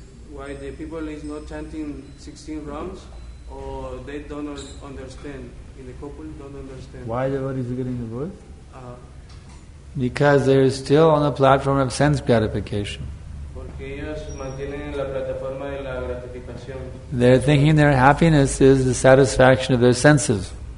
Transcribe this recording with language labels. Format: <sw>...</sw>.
<en>Why the people is not chanting 16 rounds, or they don't understand, in the couple don't understand. Why the word is getting divorced? Because they're still on the platform of sense gratification.</en> <es>Porque ellos mantienen la plataforma de la gratificación.</es> <en>They're thinking their happiness is the satisfaction of their senses.</en>